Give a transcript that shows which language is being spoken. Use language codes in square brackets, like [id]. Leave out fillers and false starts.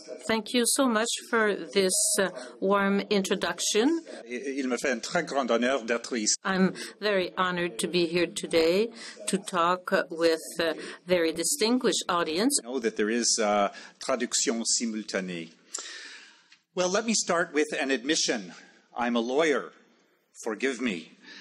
[en] Thank you so much for this warm introduction. [fr] Il me fait un très grand honneur d'être ici. [en] I'm very honored to be here today to talk with a very distinguished audience. I know that there is [fr] traduction simultanée. [en] Well, let me start with an admission. I'm a lawyer. Forgive me.